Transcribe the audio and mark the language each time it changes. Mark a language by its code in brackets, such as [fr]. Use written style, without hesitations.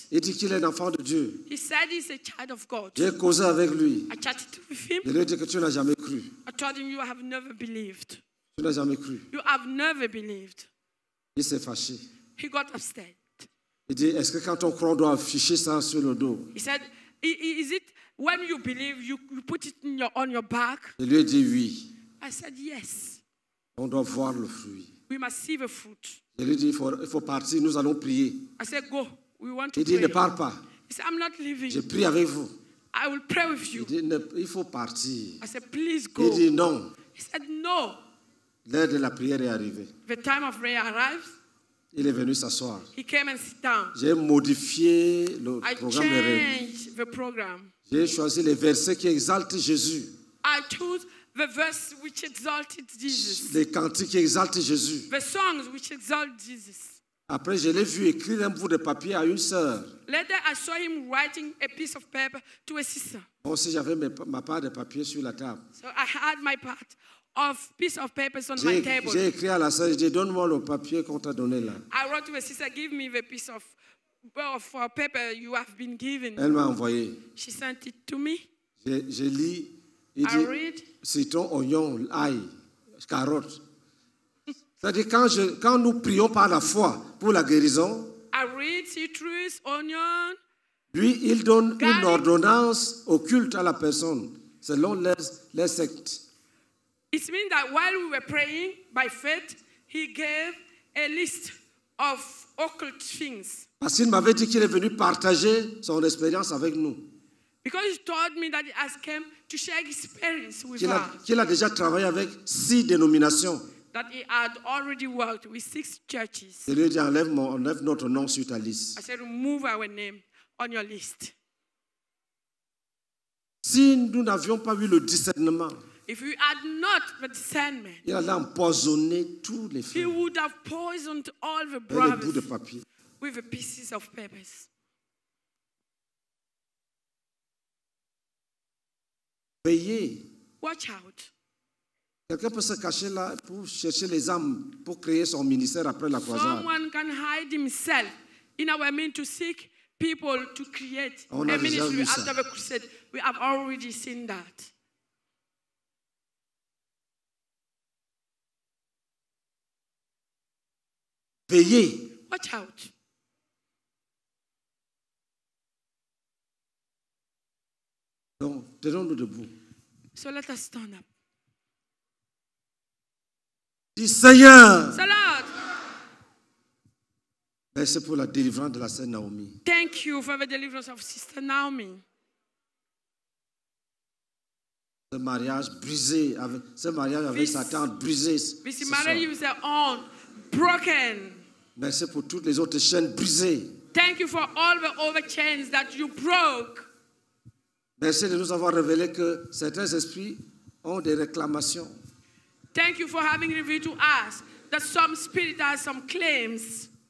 [fr] Il dit qu'il est un enfant de Dieu. [en] He said he's a child of God. [fr] J'ai causé avec lui. [en] I chatted with him. [fr] Il lui dit que tu n'as jamais cru. [en] I told him you have never believed. [fr] Tu n'as jamais cru. [en] You have never believed. [fr] Il s'est fâché. [en] He got upset. [fr] Il dit, est-ce que quand on croit, on doit afficher ça sur le dos? [en] He said, is it when you believe, you put it in your, on your back? [fr] Il lui a dit oui. [en] I said yes. [fr] On doit voir le fruit. [en] We must see the fruit. [fr] Il lui a dit, il faut partir, nous allons prier. [en] I said go, we want to pray. [fr] Il dit, ne pars pas. [en] He said, I'm not leaving. [fr] Je prie avec vous. [en] I will pray with you. [fr] Il dit, ne, il faut partir. [en] I said, please go. [fr] Il dit non. [en] He said no. [fr] L'heure de la prière est arrivée. [en] The time of prayer arrives. [fr] Il est venu s'asseoir. [en] He came and sit down. [fr] J'ai modifié le programme de réunion. [en] Program. [fr] J'ai choisi les versets qui exaltent Jésus. [en] I chose the verse which exalted Jesus. [fr] Les cantiques qui exaltent Jésus. [en] The songs which exalt Jesus. [fr] Après, je l'ai vu écrire un bout de papier à une sœur. [en] Later, I saw him writing a piece of paper to a sister. [fr] Bon, si j'avais ma part de papier sur la table. [en] So I had my part. Of piece of papers on [fr] j'ai, [en] my table. [fr] J'ai écrit à la sœur, j'ai dit, donne-moi le papier qu'on t'a donné là. [en] I wrote to my sister, give me the piece of paper you have been given. [fr] Elle m'a envoyé. [en] She sent it to me. [fr] Je lis. [en] I [fr] dit, [en] read. [fr] Citron, oignon, ail, carotte. C'est-à-dire quand nous prions par la foi pour la guérison. [en] I read citrus, onion. [fr] Lui, il donne [en] garlic. [fr] Une ordonnance occulte à la personne selon les sectes. [en] It means that while we were praying by faith, he gave a list of occult things. [fr] Parce qu'il m'avait dit qu'il est venu partager son expérience avec nous. [en] Because he told me that he has come to share his experience with [fr] qu'il a, [en] us. [fr] Qu'il a déjà travaillé avec 6 dénominations. [en] That he had already worked with 6 churches. [fr] Il lui a dit, enlève notre nom sur ta liste. [en] I said, remove our name on your list. [fr] Si nous n'avions pas eu le discernement. [en] If you had not the discernment, [fr] il allait empoisonner tous les fils. [en] He would have poisoned all the brothers with the pieces of papers. [fr] Veillez. [en] Watch out. [fr] Quelqu'un peut se cacher là pour chercher les âmes pour créer son ministère après la croisade. [en] Someone can hide himself in our midst to seek people to create a ministry after the crusade. We have already seen that. [fr] Veillez. [en] Watch out. [fr] Donc, tenons-nous debout. [en] So let us stand up. [fr] Dis Seigneur. Salut. Merci pour la délivrance de la sœur Naomi. [en] Thank you for the deliverance of Sister Naomi. [fr] Ce mariage brisé avec ce mariage avec [en] this, [fr] sa tante brisé. [en] This marriage with her aunt broken. [fr] Merci pour toutes les autres chaînes brisées. [en] Thank you for all the other chains that you broke. [fr] Merci de nous avoir révélé que certains esprits ont des réclamations. [en] Thank you for having revealed to us that some spirit has some claims.